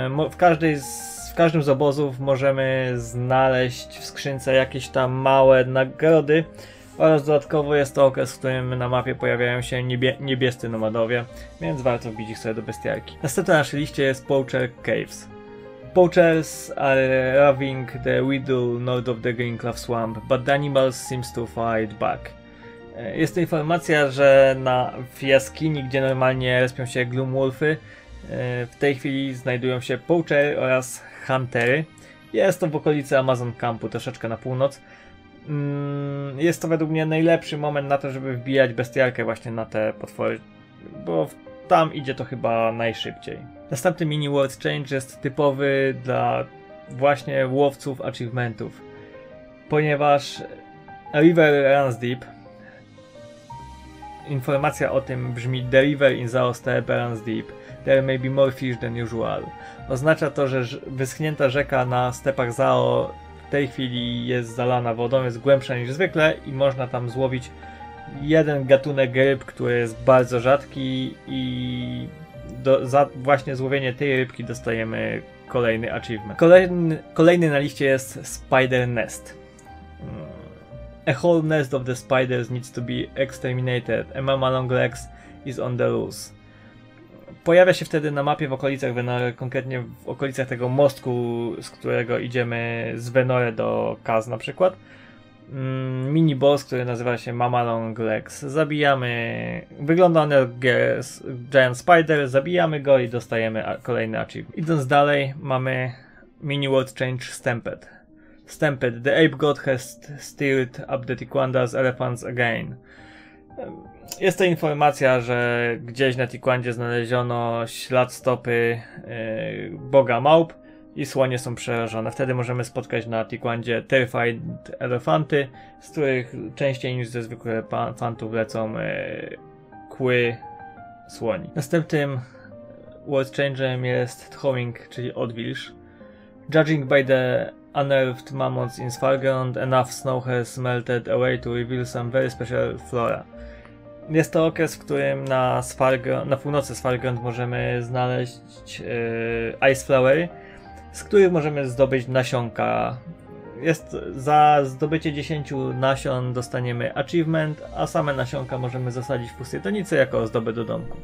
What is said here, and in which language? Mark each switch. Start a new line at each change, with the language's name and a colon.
Polish: W każdym z obozów możemy znaleźć w skrzynce jakieś tam małe nagrody oraz dodatkowo jest to okres, w którym na mapie pojawiają się niebiescy nomadowie, więc warto wbić ich sobie do bestiarki. Następnie na naszej liście jest Poacher Caves.
English: Poachers are ravaging the widow north of the Greenclaw Swamp, but the animals seem to fight back.
Polish: Jest to informacja, że w jaskini, gdzie normalnie respią się Gloomwolfy, w tej chwili znajdują się Poacher oraz Huntery. Jest to w okolicy Amazon Campu, troszeczkę na północ. Jest to według mnie najlepszy moment na to, żeby wbijać bestiarkę właśnie na te potwory, bo tam idzie to chyba najszybciej. Następny mini world change jest typowy dla właśnie łowców achievementów, ponieważ River Runs Deep. Informacja o tym brzmi:
English: The river in Zaostep runs deep. There may be more fish than usual.
Polish: Oznacza to, że wyschnięta rzeka na stepach Zao w tej chwili jest zalana wodą, jest głębsza niż zwykle i można tam złowić jeden gatunek ryb, który jest bardzo rzadki i za właśnie złowienie tej rybki dostajemy kolejny achievement. Kolejny na liście jest Spider Nest.
English: A whole nest of the spiders needs to be exterminated. A mama long legs is on the loose.
Polish: Pojawia się wtedy na mapie w okolicach Venore, konkretnie w okolicach tego mostku, z którego idziemy z Venore do Kaz na przykład. Mini boss, który nazywa się Mama Long Legs. Zabijamy. Wygląda on jak Giant Spider, zabijamy go i dostajemy kolejny achievement. Idąc dalej, mamy mini world change Stampede.
English: Stampede, the ape god has stirred up the Tiquanda's elephants again.
Polish: Jest to informacja, że gdzieś na Tiquandzie znaleziono ślad stopy boga małp i słonie są przerażone. Wtedy możemy spotkać na Tiquandzie terrified elefanty, z których częściej niż ze zwykłych elefantów lecą kły słoni. Następnym World Changerem jest Thawing, czyli odwilż.
English: Judging by the unearthed mammoths in Svalgrond, enough snow has melted away to reveal some very special flora.
Polish: Jest to okres, w którym na północy Svalgrond możemy znaleźć ice flower, z których możemy zdobyć nasionka. Jest za zdobycie 10 nasion dostaniemy achievement, a same nasionka możemy zasadzić w pustytonicy jako ozdobę do domku.